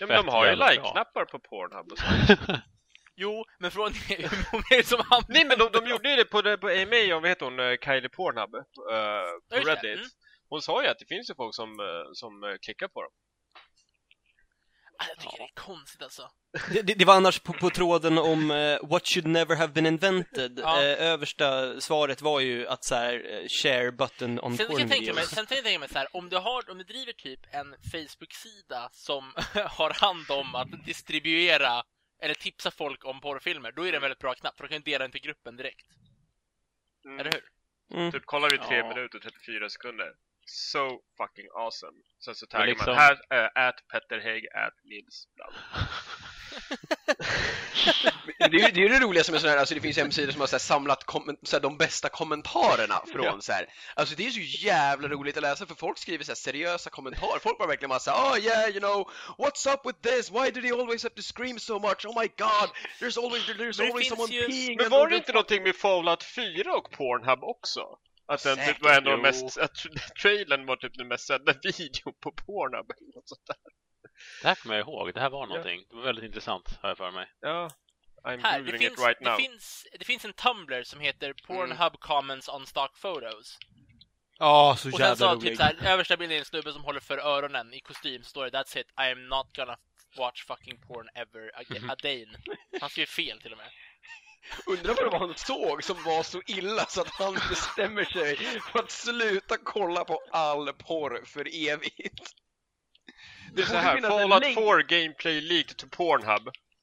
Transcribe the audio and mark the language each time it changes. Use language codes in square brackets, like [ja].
[sv] Ja, men de har ju like-knappar på Pornhub och så. Jo, men från hur som han. Nej, men de gjorde ju det på AMA, om vad heter hon, Kylie Pornhub på Reddit. Hon sa ju att det finns ju folk som klickar på dem. Jag tycker det är konstigt alltså. Det var annars på tråden om [en] what should never have been invented. [sv] Översta svaret var ju att så här, [en] share button on porn. [sv] Sen tänker jag mig så här, om du driver typ en Facebook-sida som har hand om att distribuera eller tipsa folk om porrfilmer, då är det en väldigt bra knapp, för då kan du dela den till gruppen direkt. Eller hur? Typ kollar vi 3 minuter och 34 sekunder. [en] So fucking awesome. [sv] Sen så taggar liksom man här at Petter Hägg at Nils. det är det roliga som är sån här, alltså det finns hemsidor som har så här samlat så här, de bästa kommentarerna från så här. Alltså det är så jävla roligt att läsa, för folk skriver så här seriösa kommentarer. Folk bara verkligen massa, [en] oh yeah, you know, what's up with this? Why do they always have to scream so much? Oh my god, there's always someone just peeing. [sv] Men var det inte någonting med Fallout 4 och Pornhub också? Att den typ var ändå mest, att trailern var typ den mest sedda video på Pornhub och sånt där. Det här kommer jag ihåg, det här var någonting. Det var väldigt intressant, hör jag för mig. [en] Ja, I'm [sv] här, [en] googling [sv] finns, [en] it right now. [sv] Det finns en Tumblr som heter Pornhub comments on stock photos. Ja, så jävla rolig. Och sen så typ såhär, översta bilden är en snubbe som håller för öronen i kostym. Står det, [en] that's it, I am not gonna watch fucking porn ever again. [sv] Han skriver fel till och med. Undrar vad det var han såg som var så illa så att han bestämmer sig för att sluta kolla på all porr för evigt. Det är så här, [en] Fallout 4 gameplay leaked to Pornhub.